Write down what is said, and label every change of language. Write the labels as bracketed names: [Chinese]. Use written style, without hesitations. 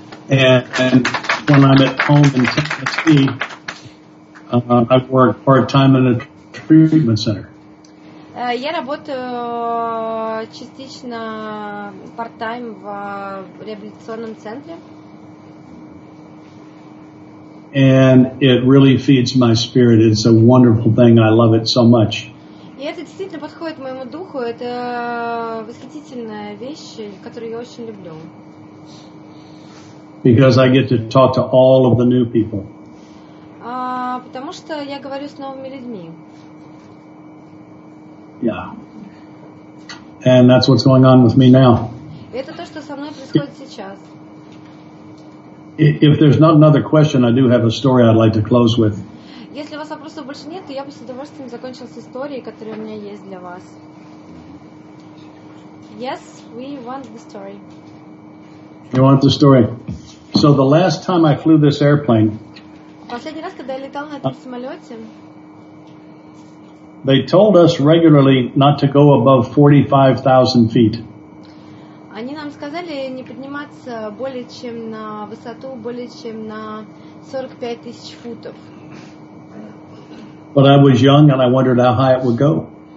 [English] And when I'm at home in Tennessee, I work part-time in a treatment center. [Russian] Я работаю частично part-time в реабилитационном центре. [English] And it really feeds my spirit. It's a wonderful thing. I love it so much. [Russian] И это действительно подходит моему духу. Это восхитительная вещь, которую я очень люблю. [English] Because I get to talk to all of the new people. [Russian] Потому что я говорю с новыми людьми. [English] Yeah. And that's what's going on with me now. [Russian] Это то, что со мной происходит сейчас. [English] If there's not another question, I do have a story I'd like to close with. [Russian] Если у вас вопросов больше нет, то я бы с удовольствием закончила с историей, которая у меня есть для вас. [English] Yes, we want the story. You want the story? So the last time I flew this airplane, [Russian] последний раз, когда я летал на этом самолете, [English] they told us regularly not to go above 45,000 feet. [Russian] Они нам сказали не подниматься более чем на высоту, более чем на 45 тысяч футов. [English] But I was young and I wondered how high it would go.